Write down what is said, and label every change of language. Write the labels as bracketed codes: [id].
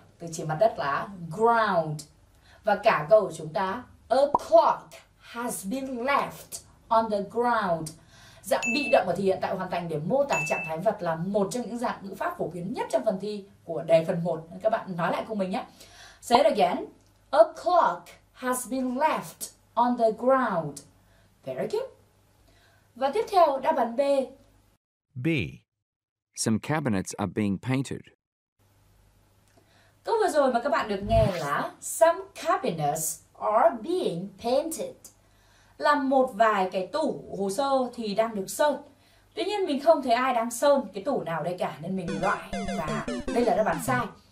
[vi] Từ chỉ mặt đất là ground. Và cả câu của chúng ta, [en] a clock has been left on the ground. [vi] Dạng bị động ở thì hiện tại hoàn thành để mô tả trạng thái vật là một trong những dạng ngữ pháp phổ biến nhất trong phần thi của đề phần 1. Các bạn nói lại cùng mình nhé. [en] Say it again. A clock has been left on the ground. Very good. [vi] Và tiếp theo, đáp án B. B. [en] Some cabinets are being painted. [vi] Câu vừa rồi mà các bạn được nghe là [en] some cabinets are being painted, [vi] là một vài cái tủ hồ sơ thì đang được sơn. Tuy nhiên mình không thấy ai đang sơn cái tủ nào đây cả nên mình loại và đây là đáp án sai.